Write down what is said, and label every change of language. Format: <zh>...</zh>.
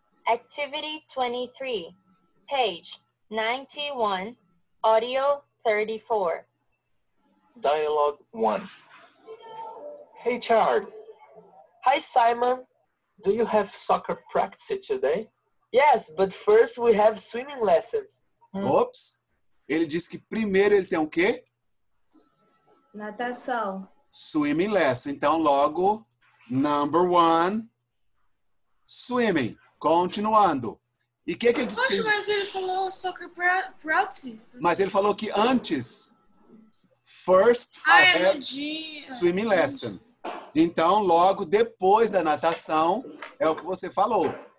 <en>Activity 23, page 91, audio 34. Dialogue 1. Hey, Chad. Hi, Simon. Do you have soccer practice today? Yes, but first we have swimming lessons. Ops.</en> <pt>Ele disse que primeiro ele tem o quê? Natação.</pt> <en>Swimming lesson.</en> <pt>Então, logo,</pt> <en>number one, swimming.</en> <pt>Continuando. E o que, que ele disse? Poxa, mas ele falou soccer practice. Mas ele falou que antes, first, ai,</pt> <en>I have swimming lesson.</en> <pt>Então, logo depois da natação, é o que você falou.</pt>